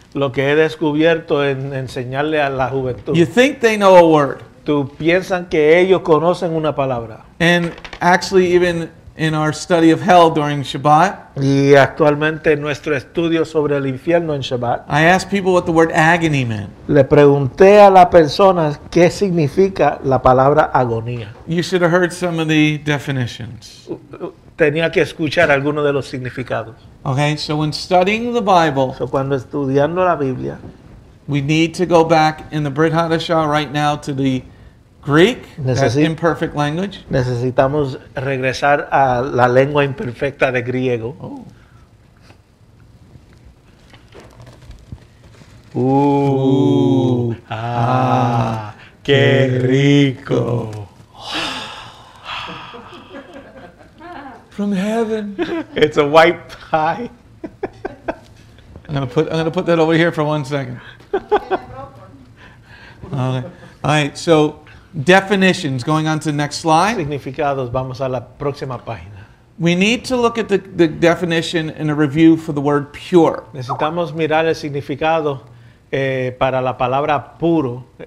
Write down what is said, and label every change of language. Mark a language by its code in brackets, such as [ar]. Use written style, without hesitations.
[es] Lo que he descubierto en enseñarle a la juventud. [en] You think they know a word. [es] Tú piensan que ellos conocen una palabra. [en] And actually even in our study of hell during Shabbat. [es] Y actualmente nuestro estudio sobre el infierno en Shabbat. [en] I asked people what the word agony meant. [es] Le pregunté a la persona qué significa la palabra agonía. [en] You should have heard some of the definitions. [es] Tenía que escuchar algunos de los significados. [en] Okay, so when studying the Bible, [es] so cuando estudiando la Biblia, [en] we need to go back in the Brit Hadashah right now to the Greek, that imperfect language. [es] Necesitamos regresar a la lengua imperfecta de griego. Oh. Ooh. Ah. ¡Qué rico! [en] From heaven. It's a white pie. I'm gonna put that over here for 1 second. Okay. All right, so definitions, going on to the next slide. [es] Significados, vamos a la próxima página. [en] We need to look at the definition in a review for the word pure. [es] Necesitamos mirar el significado para la palabra puro.